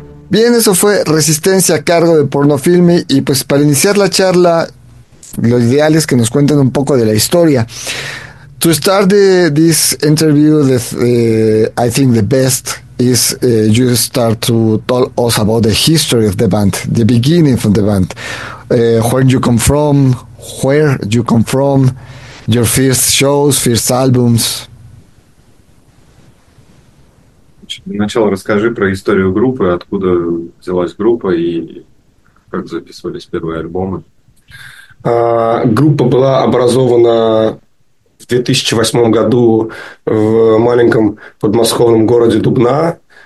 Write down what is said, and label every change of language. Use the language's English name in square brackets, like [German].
[Spanish] Bien, eso fue Resistencia a cargo de Pornofilmi, y pues para iniciar la charla, lo ideal es que nos cuenten un poco de la historia. [English] To start this interview, I think the best is you start to tell us about the history of the band, the beginning of the band, where you come from, where you come from, your first shows, first albums. [Russian] Сначала расскажи про историю группы, откуда взялась группа и как записывались первые альбомы. Группа была образована в 2008 году в маленьком подмосковном городе Дубна.